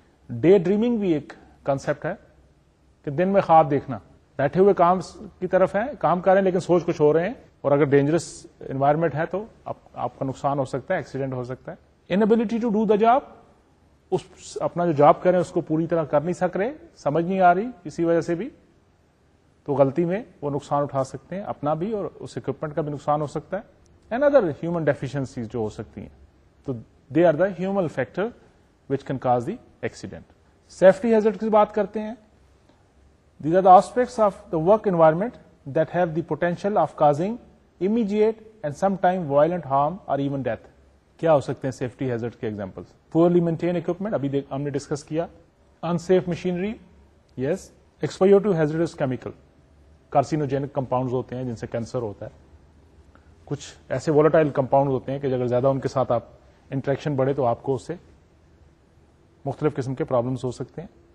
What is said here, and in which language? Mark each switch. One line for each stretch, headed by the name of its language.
Urdu: Day dreaming بھی ایک concept ہے, کہ دن میں خواب دیکھنا, بیٹھے ہوئے کام کی طرف ہیں, کام کر رہے ہیں لیکن سوچ کچھ ہو رہے ہیں, اور اگر ڈینجرس انوائرمنٹ ہے تو آپ کا نقصان ہو سکتا ہے, ایکسیڈنٹ ہو سکتا ہے.
English: inability to do the job,
Urdu: اس اپنا جو جاب کر رہے ہیں اس کو پوری طرح کر نہیں سک رہے, سمجھ نہیں آ رہی کسی وجہ سے بھی, تو غلطی میں وہ نقصان اٹھا سکتے ہیں, اپنا بھی اور اس اکوپمنٹ کا بھی نقصان ہو سکتا ہے.
English: and other human deficiencies
Urdu: جو ہو سکتی ہیں, تو
English: They are the human factor which can cause the accident.
Urdu: Safety hazard کی بات کرتے ہیں,
English: These are the aspects of the work environment that have the potential of causing immediate and some time violent harm or even death.
Urdu: کیا ہو سکتے ہیں safety hazard کے example? Poorly maintain equipment, ابھی ہم نے ڈسکس کیا, unsafe machinery, yes, exposure to hazards chemical, carcinogenic compounds ہوتے ہیں جن سے کینسر ہوتا ہے, کچھ ایسے ولاٹائل کمپاؤنڈز ہوتے ہیں کہ اگر زیادہ ان کے ساتھ آپ انٹریکشن بڑھے تو آپ کو اس سے مختلف قسم کے پرابلمس ہو سکتے ہیں.